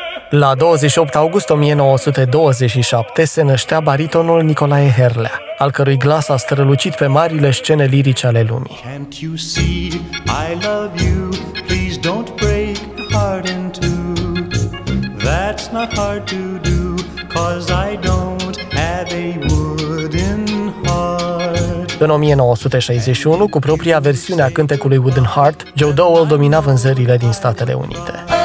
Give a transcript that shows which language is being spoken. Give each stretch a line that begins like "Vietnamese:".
Romanian: La 28 august 1927 se năștea baritonul Nicolae Herlea, al cărui glas a strălucit pe marile scene lirice ale lumii.
English: Can't you see I love you? Please don't break heart in two. That's not hard to do, 'cause I don't have a wooden heart.
Romanian: În 1961, cu propria versiune a cântecului Wooden Heart, Joe Dowell domina vânzările din Statele Unite.